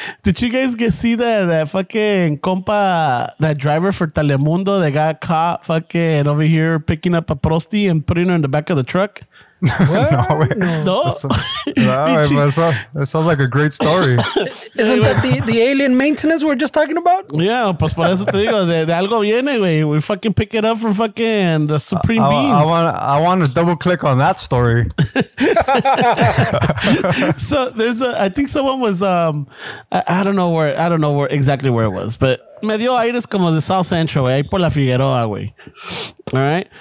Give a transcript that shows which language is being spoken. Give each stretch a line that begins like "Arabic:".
English: Did you guys get see that fucking compa, that driver for Telemundo that got caught fucking over here picking up a prosti and putting her in the back of the truck? What? No, it sounds like a great story. Isn't that the alien maintenance we're just talking about?
Spanish: Yeah, pues por eso te digo, de algo viene, güey.
English: We fucking pick it up from fucking the Supreme Beans. I want to double click on that story. So I don't know exactly where it was, but
Spanish: me dio aires como de South Central, güey, ahí por la Figueroa, güey.
English: All right.